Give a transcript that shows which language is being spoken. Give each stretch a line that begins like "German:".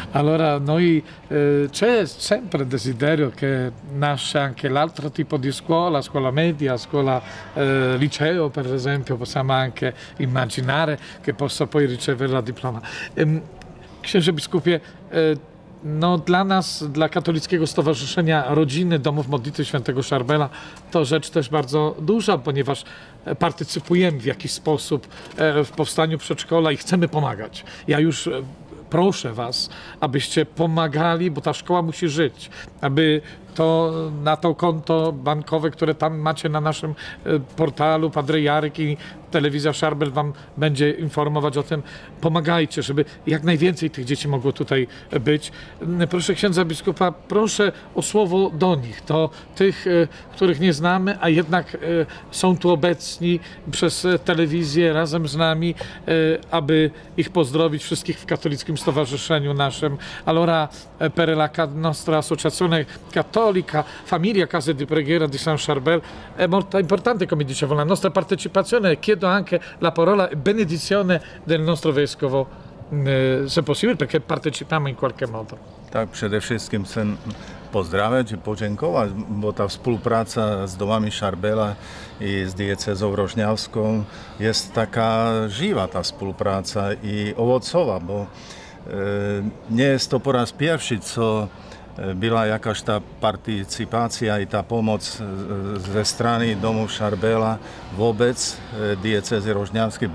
Italian: Allora, noi c'è sempre desiderio che nasce anche l'altro tipo di scuola, scuola media, scuola liceo, per esempio, possiamo anche immaginare che possa poi ricevere la diploma.
Polish: księże biskupie, no dla nas, dla Katolickiego Stowarzyszenia Rodziny Domów Modlitwy Świętego Szarbela, to rzecz też bardzo duża, ponieważ partycypujemy w jakiś sposób w powstaniu przedszkola i chcemy pomagać. Ja już proszę was, abyście pomagali, bo ta szkoła musi żyć, aby to na to konto bankowe, które tam macie na naszym portalu, Padre Jarek i Telewizja Szarbel wam będzie informować o tym. Pomagajcie, żeby jak najwięcej tych dzieci mogło tutaj być. Proszę księdza biskupa, proszę o słowo do nich, do tych, których nie znamy, a jednak są tu obecni przez telewizję razem z nami, aby ich pozdrowić wszystkich w katolickim stowarzyszeniu naszym.
Italian: Allora, per la nostra associazione cattolica, Famiglia Case di Preghiera di San Charbel, è molto importante, come dicevo, la nostra partecipazione. Chiedo anche la parola e benedizione del nostro vescovo, se possibile, perché partecipiamo in qualche modo.
Polish: Tak, przede wszystkim chcę pozdrawiać i podziękować, bo ta współpraca z domami Szarbela i z diecezą rożniawską jest taka żywa, ta współpraca i owocowa, bo nie jest to po raz pierwszy, co była jakaś ta partycypacja i ta pomoc ze strony domu Szarbela wobec diecezy rożniawskiej.